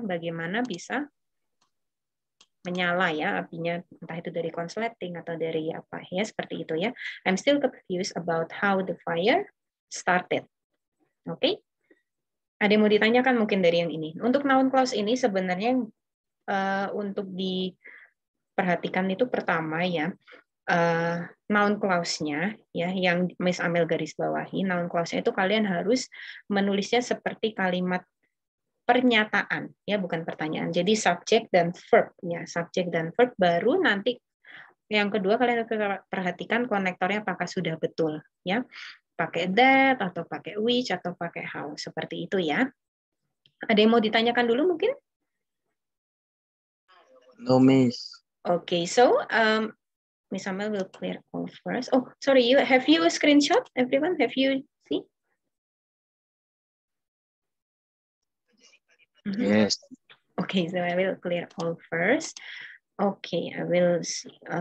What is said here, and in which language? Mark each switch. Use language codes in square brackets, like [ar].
[id] Bagaimana bisa menyala ya apinya, entah itu dari konsleting atau dari apa ya, seperti itu ya. [en] I'm still confused about how the fire started. Okay? [id] Ada yang mau ditanyakan mungkin dari yang ini. Untuk noun clause ini sebenarnya untuk diperhatikan itu pertama ya, noun clause-nya ya, yang Miss Amel garis bawahi, noun clause-nya itu kalian harus menulisnya seperti kalimat pernyataan ya, bukan pertanyaan. Jadi subject dan verb ya, subject dan verb, baru nanti yang kedua kalian perhatikan konektornya apakah sudah betul ya. Pakai that, atau pakai which, atau pakai how. Seperti itu ya. Ada yang mau ditanyakan dulu mungkin? [en] No, miss. Okay, so Miss Amel will clear all first. Oh, sorry, have you a screenshot, everyone? Have you see? Mm-hmm. Yes. Okay, so I will clear all first. Okay, I will see.